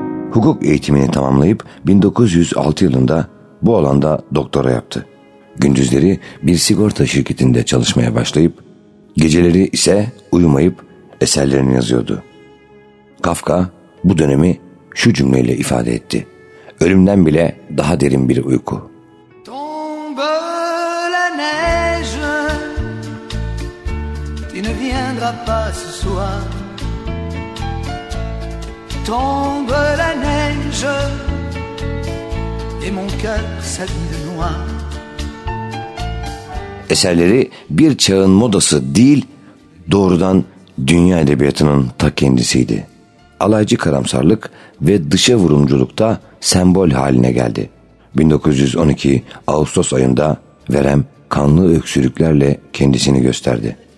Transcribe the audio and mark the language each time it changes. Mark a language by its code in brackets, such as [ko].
[tr] Hukuk eğitimini tamamlayıp 1906 yılında bu alanda doktora yaptı. Gündüzleri bir sigorta şirketinde çalışmaya başlayıp, geceleri ise uyumayıp eserlerini yazıyordu. Kafka bu dönemi şu cümleyle ifade etti. Ölümden bile daha derin bir uyku. [fr] Tombe la neige, tu ne viendras pas ce soir. Tombe la neige, et mon cœur s'habille de noir. [tr] Eserleri bir çağın modası değil, doğrudan dünya edebiyatının ta kendisiydi. Alaycı karamsarlık ve dışa vurumculukta sembol haline geldi. 1912 Ağustos ayında Verem kanlı öksürüklerle kendisini gösterdi.